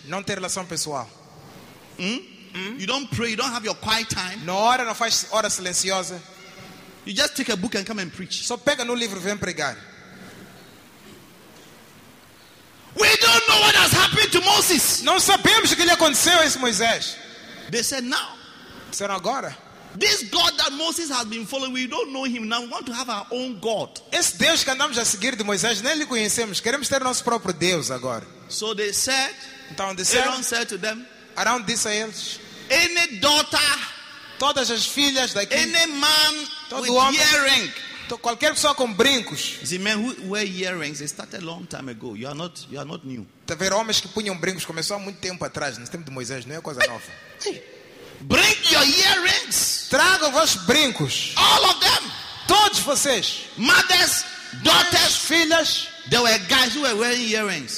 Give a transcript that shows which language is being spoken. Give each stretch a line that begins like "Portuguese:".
Portuguese: Não ter relação pessoal.
English: You don't pray. You don't have your quiet time.
Portuguese: Não ora, não faz hora silenciosa.
English: You just take a book and come and preach.
Portuguese: Só pega no livro e vem pregar.
English: We don't know what has happened to Moses.
Portuguese: Não sabemos o que lhe aconteceu a esse Moisés.
English: They said now.
Portuguese: Disseram agora.
English: This God that Moses has been following, we don't know him now. We want to have our own God.
Portuguese: Esse Deus que andamos a seguir de Moisés, nem lhe conhecemos. Queremos ter nosso próprio Deus agora.
English: So they said.
Portuguese: Então disseram.
English: Aaron said to them.
Portuguese: Aaron disse a eles.
English: Any daughter.
Portuguese: Todas as filhas daqui.
English: Any man
Portuguese: todo
English: with
Portuguese: homem,
English: earring.
Portuguese: Qualquer pessoa com brincos.
English: The men who wear earrings, they started a long time ago. You are not new.
Portuguese: Tá vendo homens que punham brincos começou há muito tempo atrás, no tempo de Moisés, não é coisa nova.
English: Bring your earrings.
Portuguese: Tragam vossos brincos.
English: All of them.
Portuguese: Todos vocês.
English: Mothers, daughters,
Portuguese: filhas.
English: There were guys who were wearing earrings.